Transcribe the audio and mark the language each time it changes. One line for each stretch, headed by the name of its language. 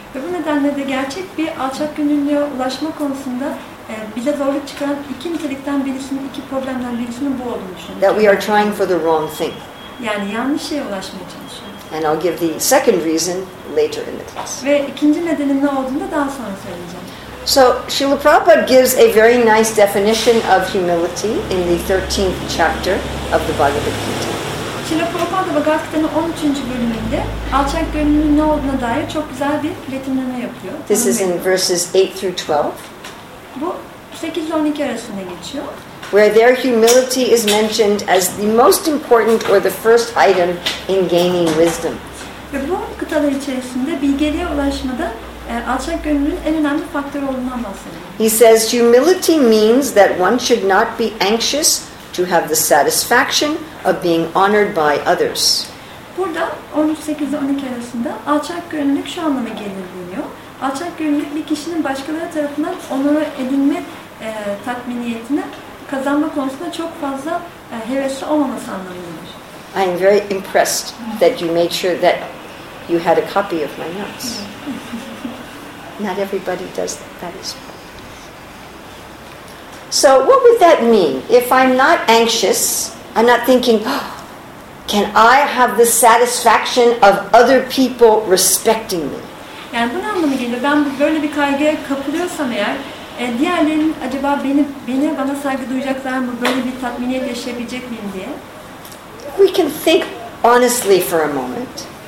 Turkish: Ve bu nedenle de gerçek bir alçak gönüllülüğe ulaşma konusunda bize zorluk çıkaran iki nitelikten birisinin, iki problemden birisinin bu olduğunu düşünüyorum.
English: That we are trying for the wrong thing.
Turkish: Yani yanlış şeye ulaşmaya çalışıyoruz.
English: And I'll give the second reason later in the class.
Turkish: Ve ikinci nedenin ne olduğunu da daha sonra söyleyeceğim.
English: So, Srila Prabhupada gives a very nice definition of humility in the 13th chapter of the Bhagavad Gita.
Turkish: Srila Prabhupada Bhagavad Gita'nın 13. bölümünde alçak gönlünün ne olduğuna dair çok güzel bir betimleme yapıyor.
English: This is in verses 8 through 12.
Turkish: Bu 8-12 arasında geçiyor.
English: Where their humility is mentioned as the most important or the first item in gaining wisdom.
Turkish: Ve bu kıtalar içerisinde bilgeliğe ulaşmada alçak gönlünün en önemli faktör olduğundan bahsediyor.
English: He says humility means that one should not be anxious to have the satisfaction of being honored by others.
Turkish: Burada 13-12 arasında alçak gönüllülük şu anlama gelir deniyor. Alçak gönüllülük bir kişinin başkaları tarafından onuru edinme tatminiyetini kazanma konusunda çok fazla hevesli olmaması anlamındadır.
English: I am very impressed that you made sure that you had a copy of my notes. Not everybody does that as well. So what would that mean? If I'm not anxious, I'm not thinking, oh, can I have the satisfaction of other people respecting me?
Turkish: Yani bunun anlamı geliyor. Ben böyle bir kaygıya kapılıyorsam eğer, diğerlerin acaba beni bana saygı duyacaklar mı, böyle bir tatminiyet yaşayabilecek miyim diye.
English: We can think honestly for a moment.